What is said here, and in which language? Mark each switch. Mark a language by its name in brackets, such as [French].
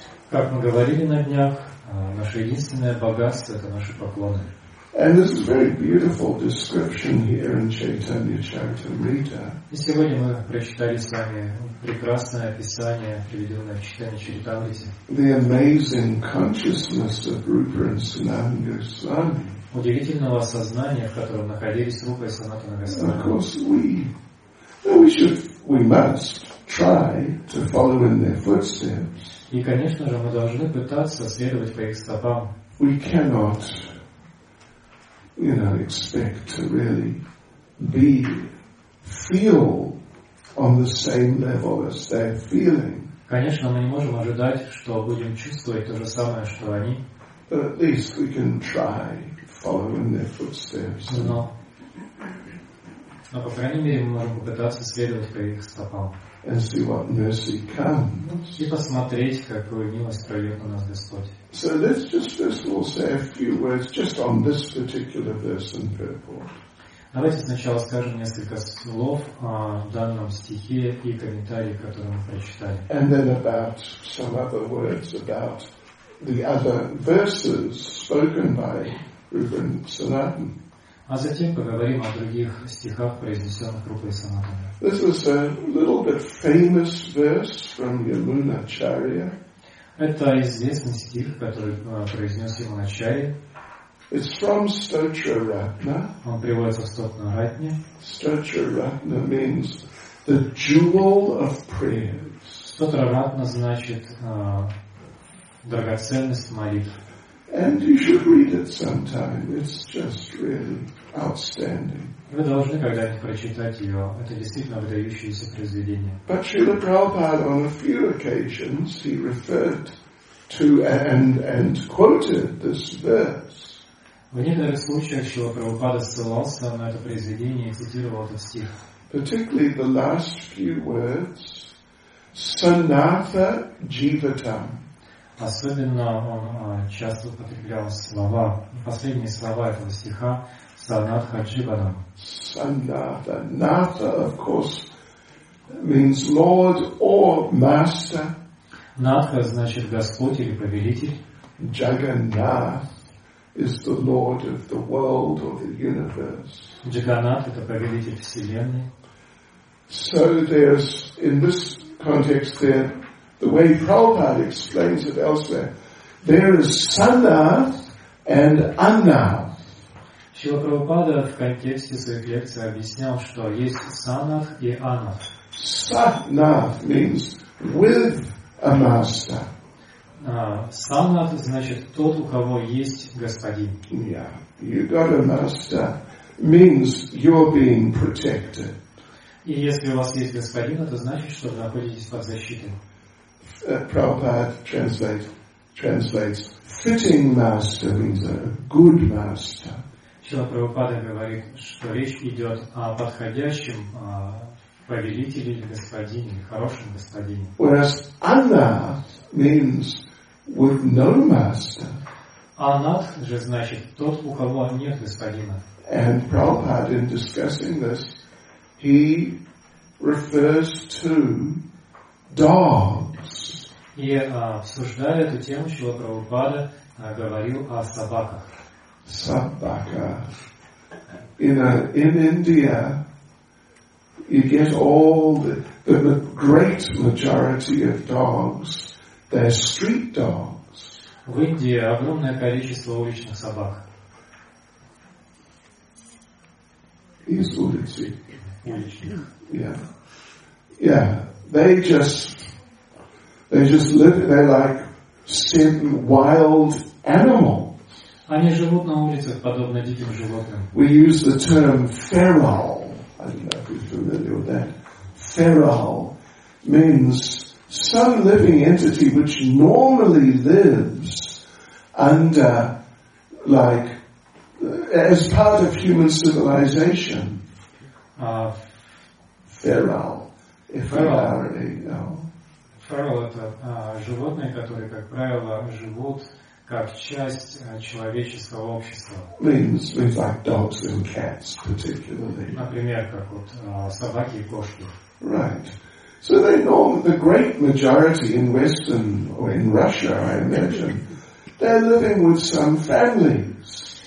[Russian] Как мы говорили на днях, наше единственное богатство это наши поклоны. [English] And this is a very beautiful description here in Chaitanya Charitamrita. [Russian] И сегодня мы прочитали с вами прекрасное описание, приведенное в Чайтанья Чаритамрите. [English] The amazing consciousness of Rupa and Sananda Goswami. [Russian] Удивительного сознания, в котором находились Рупа и Санатана Госвами. [English] Of course we. We must try to follow in their footsteps. [Russian] И, конечно же, мы должны пытаться следовать по их стопам. [English] We cannot, you know, expect to really be feel on the same level as they're feeling. [Russian] Конечно, мы не можем ожидать, что будем чувствовать то же самое, что они. [English] But at least we can try following their footsteps. No. [Russian] Но, по крайней мере, мы можем попытаться следовать по их стопам. [English] And see what mercy comes. [Russian] И посмотреть, какую милость прольет на нас Господь. [English] So let's just first of all say a few words just on this particular verse and purport. [Russian] Давайте сначала скажем несколько слов о данном стихе и комментарии, которые мы прочитали. [English] And then about some other words about the other verses spoken by Rupa and Sanatan. [Russian] А затем поговорим о других стихах, произнесенных Рупой и Санатаной. [English] This is a little bit famous verse from Yamunacharya. [Russian] Это известный стих, который произнес Yamunacharya. [English] It's from Stotra Ratna. [Russian] Он приводится в Стотра Ратне. [English] Stotra Ratna means the jewel of prayers. [Russian] Стотра Ратна значит драгоценность молитв. [English] And you should read it sometime. It's just really outstanding. [Russian] Вы должны когда-нибудь прочитать ее. Это действительно выдающееся произведение. [English] But Srila Prabhupada on a few occasions he referred to and quoted this verse. [Russian] В некоторых случаях Srila Prabhupada ссылался на это произведение и цитировал этот стих. [English] Particularly the last few words, Sanatha Jivatam. [Russian] Особенно он часто употреблял слова, последние слова этого стиха Санатха Дживанам. [English] Санатха, Натха, of course, means Lord or Master. [Russian] Натха значит Господь или Повелитель. [English] Джаганнат is the Lord of the world or the universe. [Russian] Джаганнат это Повелитель Вселенной. [English] So there's, in this context there, the way Prabhupada explains it elsewhere, there is Sanath and Anath. [Russian] Srila Prabhupada в контексте своих лекций объяснял, что есть Sanath и Anath. [English] Sanath means with a master. [Russian] Sanath значит тот, у кого есть господин. [English] Yeah, you got a master means you're being protected. [Russian] И если у вас есть господин, это значит, что вы находитесь под защитой. [English] Prabhupada translates, fitting master means a good master. [Russian] Шрила Прабхупада говорит, что речь идет о подходящем повелителе или господине, хорошем господине. [English] Whereas anath means with no master. [Russian] Анатх же значит тот, у кого нет господина. [English] And Prabhupada, in discussing this, he refers to dogs. [Russian] И обсуждая эту тему, Шрила Прабхупада говорил о собаках. Собака. [English] In India, you get all the great majority of dogs. They're street dogs. [Russian] В Индии огромное количество уличных собак. Из улицы. Уличных. [English] Yeah. Yeah. They just live. They're like certain wild animals. [Russian] Они живут на улицах, подобно диким животным. [English] We use the term feral. I don't know if you're familiar with that. Feral means some living entity which normally lives under, like, as part of human civilization. Feral. [Russian] Feral — это животные, которые, как правило, живут как часть человеческого общества. [English] Means like dogs and cats particularly. [Russian] Например, как вот собаки и кошки. [English] Right. So they norm the great majority in Western or in Russia, I imagine, they're living with some families.